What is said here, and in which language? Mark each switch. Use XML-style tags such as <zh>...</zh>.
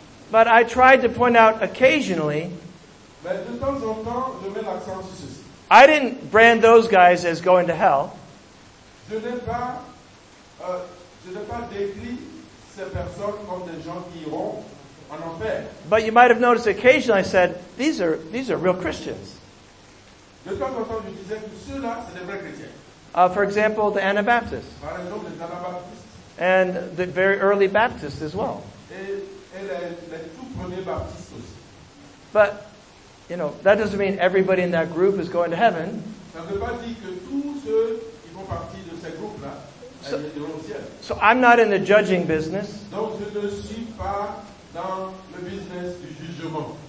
<en>But I tried to point out occasionally, I didn't brand those guys as going to hell. But you might have noticed occasionally I said, these are real Christians.</en> <fr>De temps en temps, je disais que ceux-là, c'est des vrais chrétiens.</fr> <en>For example, the Anabaptists.</en> <fr>Par exemple, les Anabaptists.</fr> <en>And the very early Baptists as well.</en> <fr>Et les tout premiers Baptistes aussi.</fr> <en>But, you know, that doesn't mean everybody in that group is going to heaven.</en> <fr>Ça ne veut pas dire que tous ceux qui font partie de ces groupes-là, iront au ciel.</fr> <en>So I'm not in the judging business.</en> <fr>Donc je ne suis pas dans le business du jugement.</fr>